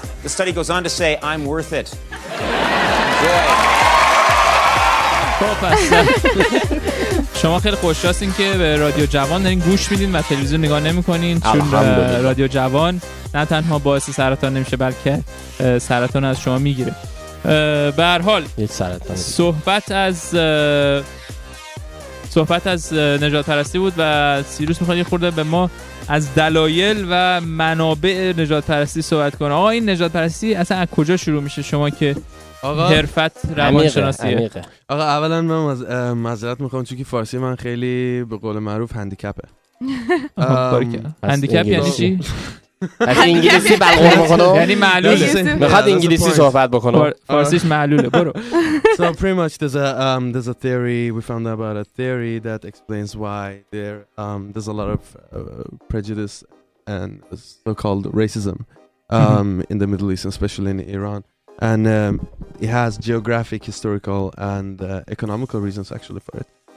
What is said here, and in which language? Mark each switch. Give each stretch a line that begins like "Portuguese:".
English: The study goes on to say, I'm worth it.
Persian: شما خیلی خوش هستین که به رادیو جوان دارین گوش میدین و تلویزیون نگاه نمیکنین، چون رادیو جوان نه تنها باعث سرطان نمیشه بلکه سرطان از شما میگیره. به هر حال صحبت از نژاد پرستی بود و سیروس میخواد یه خورده به ما از دلایل و منابع نژاد پرستی صحبت کنه. آقا این نژاد پرستی اصلا از کجا شروع میشه؟ شما که آقا حرفت روانشناسیه. آقا اولا من معذرت میخوام چون که فارسی من خیلی به قول معروف هندیکپه. هندیکپ یعنی چی؟ از انگلیسی بلغور میکنه، یعنی معلوله، میخواد انگلیسی صحبت بکنه، فارسیش معلوله. برو.
English: So pretty much there's a theory, we found out about a theory that explains why there's a lot of prejudice and so-called racism in the Middle East, especially in Iran, and it has geographic, historical and economical reasons actually for it.